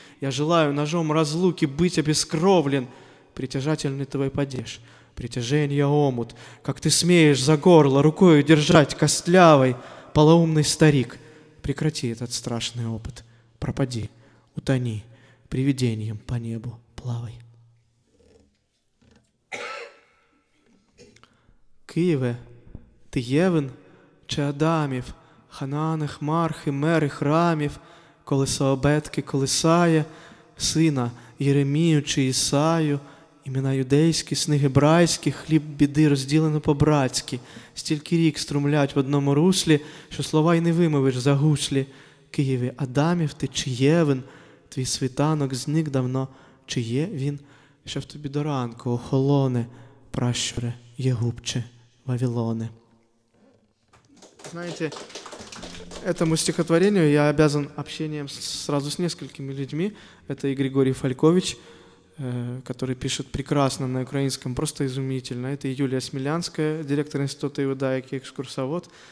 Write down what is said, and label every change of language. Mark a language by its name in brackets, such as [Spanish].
[Russian] Я желаю ножом разлуки быть обескровлен. Притяжательный твой падеж, притяжение омут, как ты смеешь за горло рукой держать костлявой, полоумный старик. Прекрати этот страшный опыт, пропади, утони. Привидением по небу плавай. [Ukrainian] Киеве, ты Євен, чи Адамів, Ханаани, Хмархи, Мери, Храмів, колесо обетки колесає, сина Єремію чи Ісаю, імена юдейські, сни гебрайські, хліб біди розділено по-братськи, стільки рік струмлять в одному руслі, що слова й не вимовиш за гуслі. Києве, Адамів, ти чи Євен, твій світанок зник давно, чи є він, що в тобі до ранку охолоне, пращуре, є губче, Вавилоне. [Russian] Знаете, этому стихотворению я обязан общением сразу с несколькими людьми. Это и Григорий Фалькович, который пишет прекрасно на украинском, просто изумительно. Это и Юлия Смелянская, директор Института иудаики, экскурсовод.